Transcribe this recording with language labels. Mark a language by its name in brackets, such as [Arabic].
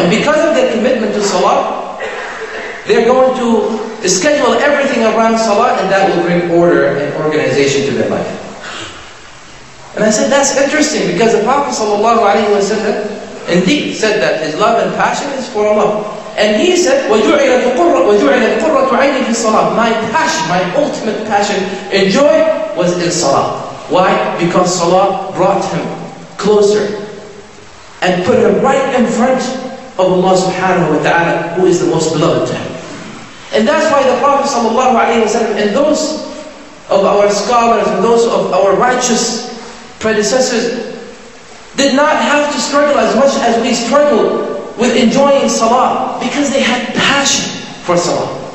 [English] And because of their commitment to Salah, they're going to schedule everything around Salah, and that will bring order and organization to their life. And I said, that's interesting, because the Prophet sallallahu alaihi wasallam indeed said that his love and passion is for Allah. And he said, [Arabic] وَجُعِلَتْ قُرَّةُ عَيْنِي فِي الصَّلَاةِ. [English] My passion, my ultimate passion and joy was in Salah. Why? Because Salah brought him closer and put him right in front of Allah subhanahu wa ta'ala, who is the most beloved to him. And that's why the Prophet sallallahu alaihi wasallam and those of our scholars and those of our righteous predecessors did not have to struggle as much as we struggle with enjoying Salah, because they had passion for Salah.